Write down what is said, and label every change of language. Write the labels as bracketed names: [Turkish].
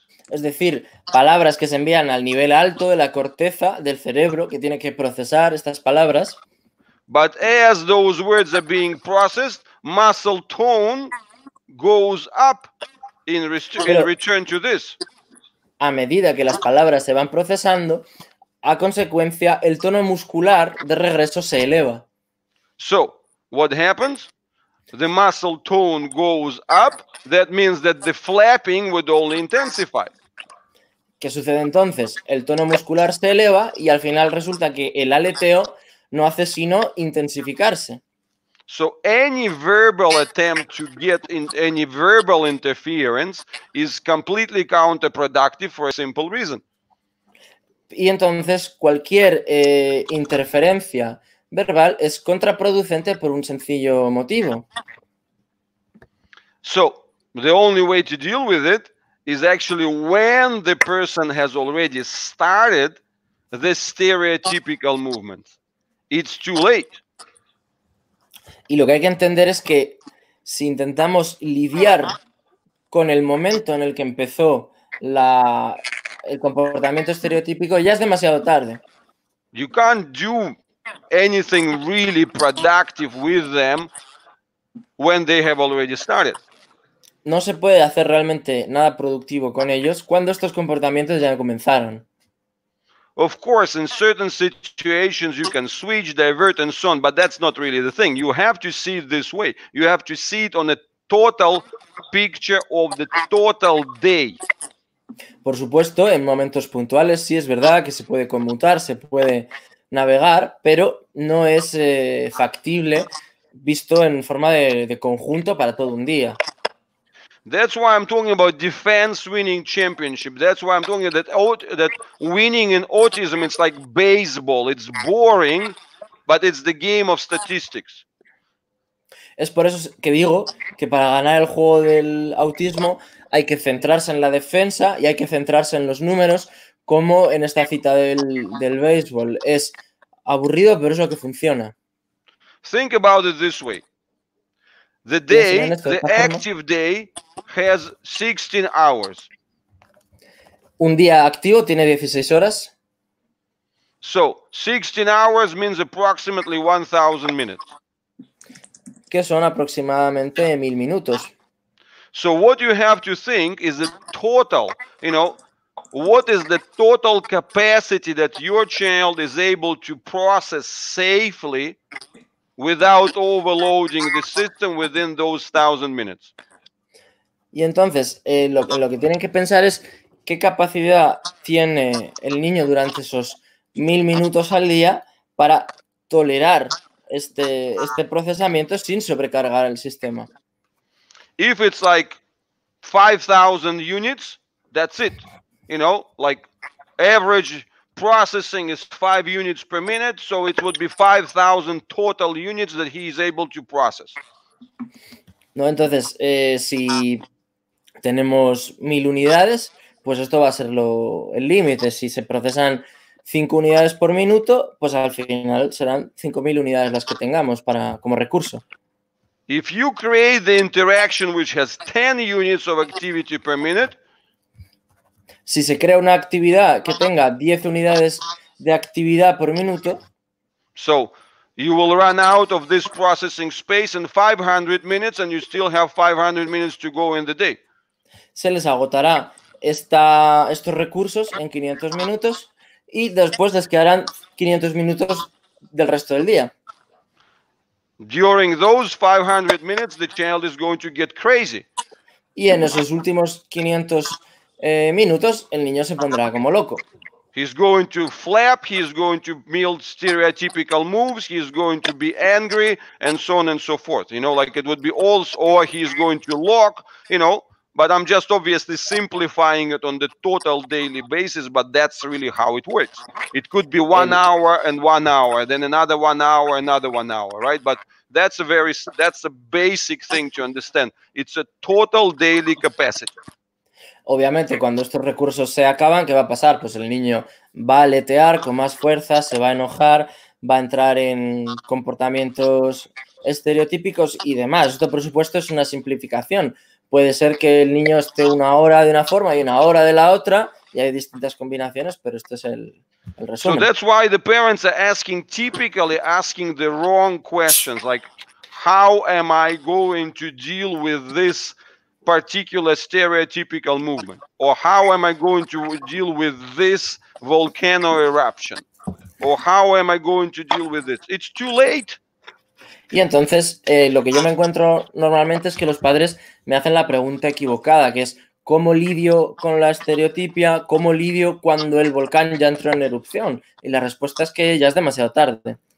[Spanish] Es decir, palabras que se envían al nivel alto de la corteza del cerebro que tiene que procesar estas palabras. [English] But as those words are being processed, muscle tone goes up in return to this. [Spanish] A medida que las palabras se van procesando, a consecuencia, el tono muscular de regreso se eleva. [English] So, what happens? The muscle tone goes up. That means that the flapping would only intensify. [Spanish] ¿Qué sucede entonces? El tono muscular se eleva y al final resulta que el aleteo no hace sino intensificarse. [English] So any verbal attempt to get in any verbal interference is completely counterproductive for a simple reason. [Spanish] Y entonces cualquier interferencia verbal es contraproducente por un sencillo motivo. [English] So the only way to deal with it is actually when the person has already started the stereotypical movement. It's too late. [Spanish] Y lo que hay que entender es que si intentamos lidiar con el momento en el que empezó el comportamiento estereotípico, ya es demasiado tarde. [English] You can't do anything really productive with them when they have already started. [Spanish] no se puede hacer realmente nada productivo con ellos cuando estos comportamientos ya comenzaron. [English] Of course, in certain situations you can switch, divert and so on, but that's not really the thing. You have to see it this way. You have to see it on a total picture of the total day. [Spanish] Por supuesto, en momentos puntuales sí es verdad que se puede conmutar, se puede navegar, pero no es factible visto en forma de conjunto para todo un día. [English] That's why I'm talking about defense winning championship. That's why I'm talking that winning in autism, it's like baseball. It's boring, but it's the game of statistics. [Spanish] Es por eso que digo que para ganar el juego del autismo hay que centrarse en la defensa y hay que centrarse en los números, como en esta cita del béisbol. Es aburrido, pero es lo que funciona. [English] Think about it this way. The day, the active day, has 16 hours. [Spanish] Un día activo tiene 16 horas. [English] So, 16 hours means approximately 1,000 minutes. [Spanish] Que son aproximadamente 1,000 minutos. [English] So, what you have to think is the total, you know, what is the total capacity that your child is able to process safely without overloading the system within those 1,000 minutes. [Spanish] Y entonces, lo que tienen que pensar es qué capacidad tiene el niño durante esos 1,000 minutos al día para tolerar este procesamiento sin sobrecargar el sistema. [English] If it's like 5,000 units, that's it. You know, like average processing is 5 units per minute, so it would be 5,000 total units that he is able to process. [Spanish] No, entonces, si tenemos 1,000 unidades, pues esto va a ser el límite. Si se procesan 5 unidades por minuto, pues al final serán 5,000 unidades las que tengamos como recurso. [English] If you create the interaction which has 10 units of activity per minute, [Spanish] si se crea una actividad que tenga 10 unidades de actividad por minuto, [English] so you will run out of this processing space in 500 minutes and you still have 500 minutes to go in the day. [Spanish] Se les agotará estos recursos en 500 minutos y después les quedarán 500 minutos del resto del día. [English] During those 500 minutes the child is going to get crazy. [Spanish] Y en esos últimos 500 minutos el niño se pondrá como loco. [English] He's going to flap, he's going to build stereotypical moves, he's going to be angry and so on and so forth. You know, like it would be all, or he's going to lock, you know, but I'm just obviously simplifying it on the total daily basis, but that's really how it works. It could be 1 hour and 1 hour, then another 1 hour, another 1 hour, right? But that's a basic thing to understand. It's a total daily capacity. [Spanish] Obviamente, cuando estos recursos se acaban, ¿qué va a pasar? Pues el niño va a aletear con más fuerza, se va a enojar, va a entrar en comportamientos estereotípicos y demás. Esto, por supuesto, es una simplificación. Puede ser que el niño esté una hora de una forma y una hora de la otra, y hay distintas combinaciones, pero esto es el resumen. [English] So that's why the parents are typically asking the wrong questions, like, how am I going to deal with this particular stereotypical movement, or how am I going to deal with this volcano eruption, or how am I going to deal with it? It's too late. [Spanish] Y entonces lo que yo me encuentro normalmente es que los padres me hacen la pregunta equivocada, que es cómo lidio con la estereotipia, cómo lidio cuando el volcán ya entró en erupción, y la respuesta es que ya es demasiado tarde.